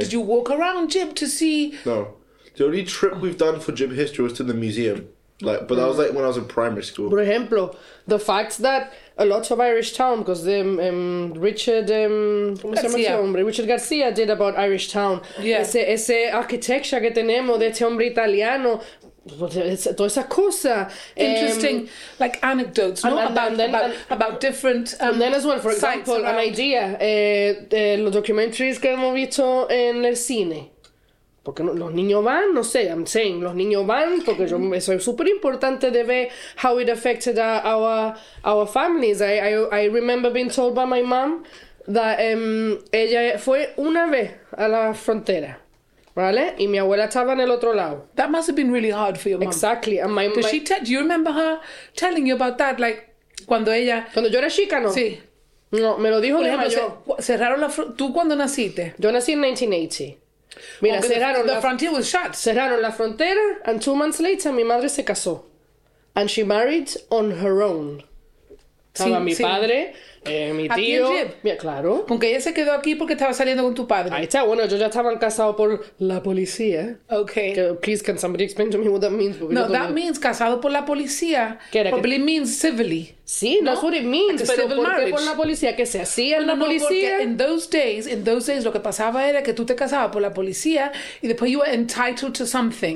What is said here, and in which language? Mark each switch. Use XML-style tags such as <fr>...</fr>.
<en>Did you walk around Gibb to see? No. The only trip we've done for Gibb history was to the museum. But that was like when I was in primary school.</en> <es>Por ejemplo,</es> <en>the fact that a lot of Irish town, because Richard Garcia did about Irish town. Yeah.</en> <es>Ese arquitectura que tenemos de este hombre italiano. Toda esa cosa.</es> <en>Interesting, like anecdotes, about different sites. And then as well, for example, an idea.</en> <es>Los documentaries que hemos visto en el cine. Porque los niños van, no sé,</es> <en>I'm saying,</en> <es>los niños van, porque yo, eso es súper importante de ver</es> <en>how it affected our families. I remember being told by my mom that</en> <es>ella fue una vez a la frontera, ¿vale? Y mi abuela estaba en el otro lado.</es> <en>That must have been really hard for your mom. Exactly. And do you remember her telling you about that?</en> <es>Like, cuando ella... Cuando yo era chica, ¿no? Sí. No, me lo dijo mayor. Cerraron la frontera. ¿Tú cuándo naciste? Yo nací en 1980. Mira, cerraron</es> <en>the frontier was shut.</en> <es>Cerraron la frontera,</es> <en>and 2 months later,</en> <es>mi madre se casó.</es> <en>And she married on her own.</en> <es>Estaba mi padre, mi tío. Aquí en Gibb. Claro. Con que ella se quedó aquí porque estaba saliendo con tu padre. Ahí está. Bueno, yo ya estaba casado por la policía.</es> <en>Okay. Please, can somebody explain to me what that means?</en> <es>Porque no,</es> <en>that means</en> <es>casado por la policía. ¿Qué era?</es> <en>Probably means civilly.</en> <es>Sí, no?</es> <en>That's what it means. Like civil marriage.</en> <es>¿Por qué por la policía? ¿Qué se hacía en la policía? Porque</es> <en>in those days,</en> <es>lo que pasaba era que tú te casabas por la policía y después</es> <en>you were entitled to something.</en>